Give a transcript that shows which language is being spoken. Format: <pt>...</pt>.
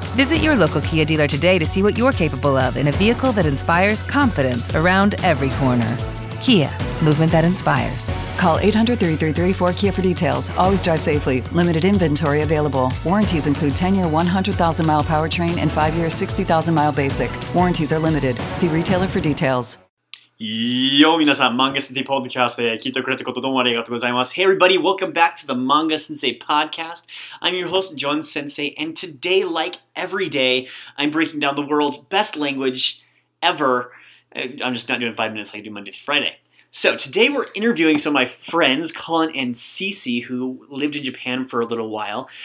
<en>Visit your local Kia dealer today to see what you're capable of in a vehicle that inspires confidence around every corner. Kia. Movement that inspires. Call 800-333-4KIA for details. Always drive safely. Limited inventory available. Warranties include 10-year, 100,000-mile powertrain and 5-year, 60,000-mile basic. Warranties are limited. See retailer for details.</en> <ja>Yo, 皆さん、Manga Sensei Podcast で聞いてくれたことどうもありがとうございます。</ja> <en>Hey, everybody, welcome back to the Manga Sensei Podcast. I'm your host, John Sensei, and today, like every day, I'm breaking down the world's best language ever. I'm just not doing 5 minutes like I do Monday through Friday. So today we're interviewing some of my friends, Colin and Cece, who lived in Japan for a little while.</en>